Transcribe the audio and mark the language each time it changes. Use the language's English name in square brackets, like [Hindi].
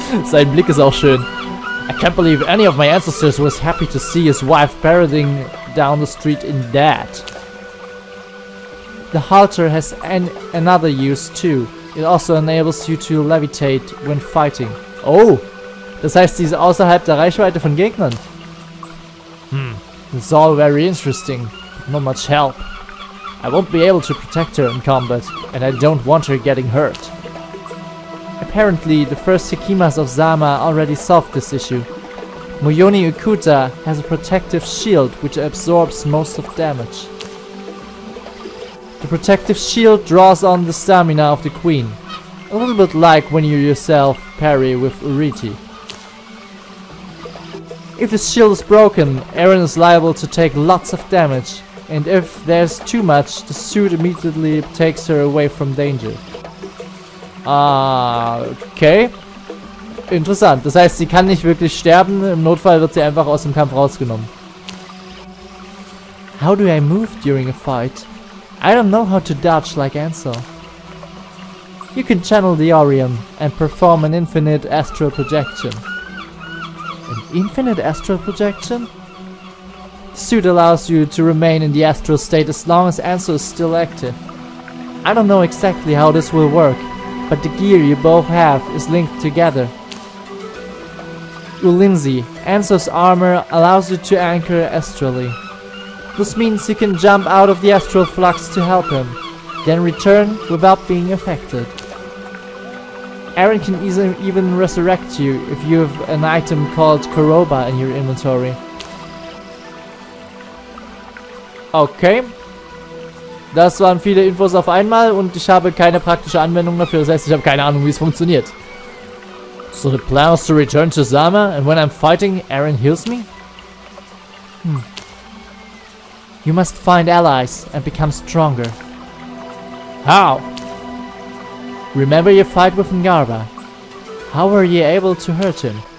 [German] Sein Blick ist auch schön. [English] I can't believe any of my ancestors was happy to see his wife parading down the street in that. The halter has another use too. It also enables you to levitate when fighting. [German] Oh, das heißt, sie ist außerhalb der Reichweite von Gegnern. [English] It's all very interesting, but not much help. I won't be able to protect her in combat, and I don't want her getting hurt. Apparently, the first Hikimas of Zama already solved this issue. Moyoni Okuta has a protective shield which absorbs most of damage. The protective shield draws on the stamina of the queen, a little bit like when you yourself parry with Uriti. If the shield is broken, Eren is liable to take lots of damage. And if there's too much, the suit immediately takes her away from danger. [German] Okay. Interessant. Das heißt, sie kann nicht wirklich sterben. Im Notfall wird sie einfach aus dem Kampf rausgenommen. [English] How do I move during a fight? I don't know how to dodge like Ansel. You can channel the Aurion and perform an infinite astral projection. An infinite astral projection? The suit allows you to remain in the astral state as long as Ansel is still active. I don't know exactly how this will work, but the gear you both have is linked together. Ulinzi, Ansel's armor allows you to anchor astrally. This means you can jump out of the astral flux to help him, then return without being affected. Eren can even resurrect you if you have an item called Koroba in your inventory. [German] Okay, das waren viele Infos auf einmal und ich habe keine praktische Anwendung dafür, das heißt, ich habe keine Ahnung, wie es funktioniert. [English] So the plan is to return to Zama and when I'm fighting, Eren heals me? You must find allies and become stronger. How? Remember your fight with Ngarba? How were you able to hurt him?